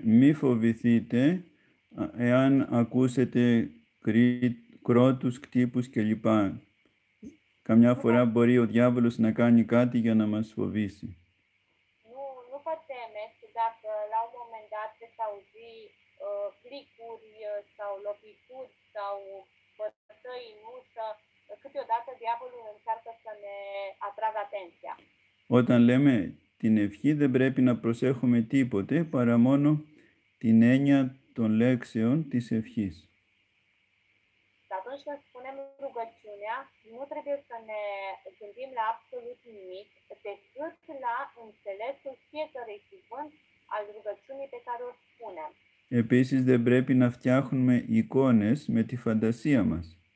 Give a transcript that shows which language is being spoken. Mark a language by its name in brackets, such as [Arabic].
[Greek] Μη φοβηθείτε εάν ακούσετε κρότους, κτύπους κλπ. Καμιά φορά μπορεί ο διάβολος να κάνει κάτι για να μας φοβήσει. [Romanian] Nu fateme, dacă la un moment dat se auzi plicuri sau lovituri sau bătăi în ușă, câteodată diavolul încearcă să ne atragă atenția. [Greek] Όταν λέμε την ευχή δεν πρέπει να προσέχουμε τίποτε παρά μόνο την έννοια των λέξεων της ευχής. [Romanian] Atunci când spunem rugăciunea, nu trebuie să ne gândim la absolut nimic, decât la înțelesul fiecărui cuvânt al rugăciunii pe care o spunem. [Greek] Επίσης, δεν πρέπει να φτιάχνουμε εικόνες με τη φαντασία μας.